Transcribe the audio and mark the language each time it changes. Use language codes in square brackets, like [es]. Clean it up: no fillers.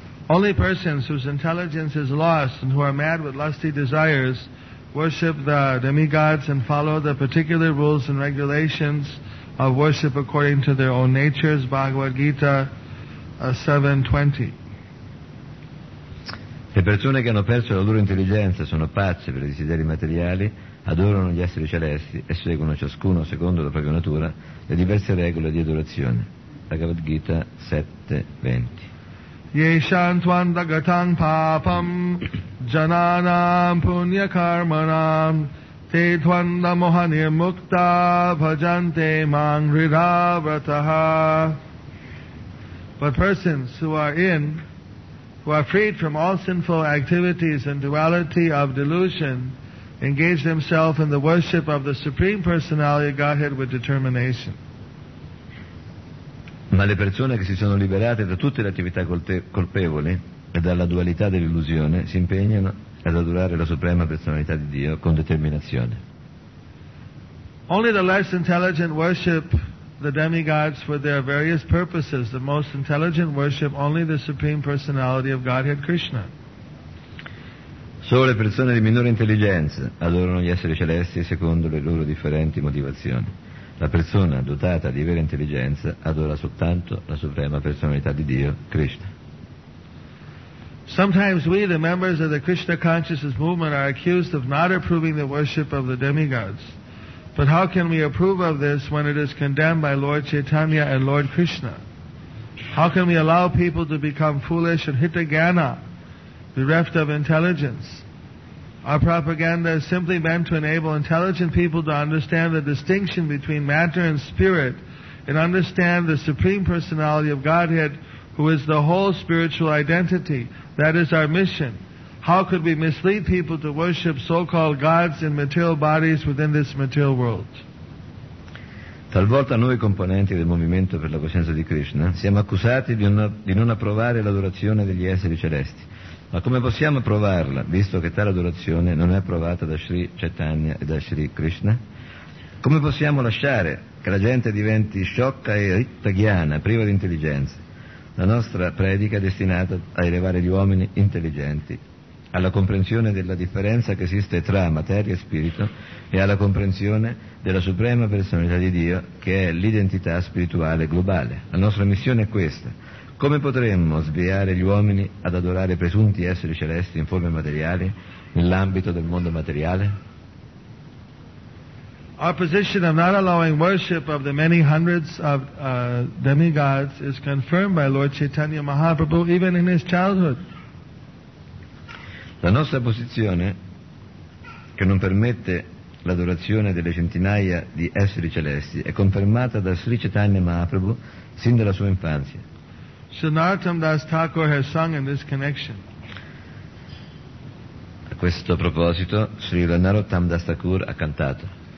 [en] Only persons whose intelligence is lost and who are mad with lusty desires worship the demigods and follow the particular rules and regulations of worship according to their own natures. Bhagavad Gita 7:20. [it] Le persone che hanno perso la loro intelligenza sono pazze per i desideri materiali, adorano gli esseri celesti e seguono ciascuno secondo la propria natura le diverse regole di adorazione. Bhagavad Gita 7:20. [sa] Yeshan tuan dagatang papam jananam punya karmanam te tuan da mohani mukta bhajante mangriravataha. [en] But persons who are freed from all sinful activities and duality of delusion engage themselves in the worship of the Supreme Personality of Godhead with determination. [it] Ma le persone che si sono liberate da tutte le attività colpevoli e dalla dualità dell'illusione si impegnano ad adorare la Suprema Personalità di Dio con determinazione. [en] Only the less intelligent worship the demigods for their various purposes. The most intelligent worship only the Supreme Personality of Godhead Krishna. [it] Solo le persone di minore intelligenza adorano gli esseri celesti secondo le loro differenti motivazioni. La persona dotata di vera intelligenza adora soltanto la Suprema Personalità di Dio, Krishna. [en] Sometimes we, the members of the Krishna Consciousness Movement, are accused of not approving the worship of the demigods. But how can we approve of this when it is condemned by Lord Chaitanya and Lord Krishna? How can we allow people to become foolish and hitagana, bereft of intelligence? Our propaganda is simply meant to enable intelligent people to understand the distinction between matter and spirit and understand the Supreme Personality of Godhead, who is the whole spiritual identity. That is our mission. How could we mislead people to worship so-called gods in material bodies within this material world? [it] Talvolta noi componenti del Movimento per la Coscienza di Krishna siamo accusati di non approvare l'adorazione degli esseri celesti. Ma come possiamo approvarla, visto che tale adorazione non è approvata da Sri Chaitanya e da Sri Krishna? Come possiamo lasciare che la gente diventi sciocca e hitagyana, priva di intelligenza? La nostra predica è destinata a elevare gli uomini intelligenti alla comprensione della differenza che esiste tra materia e spirito e alla comprensione della Suprema Personalità di Dio, che è l'identità spirituale globale. La nostra missione è questa. Come potremmo sviare gli uomini ad adorare presunti esseri celesti in forme materiali nell'ambito del mondo materiale? [en] Our position of not allowing worship of the many hundreds of demigods is confirmed by Lord Chaitanya Mahaprabhu even in his childhood. [it] La nostra posizione, che non permette l'adorazione delle centinaia di esseri celesti, è confermata da Sri Chaitanya Mahaprabhu sin dalla sua infanzia. [en] Sanatam Das Thakur has sung in this connection. [it] A questo proposito, Sri Narottam Das Thakur ha cantato.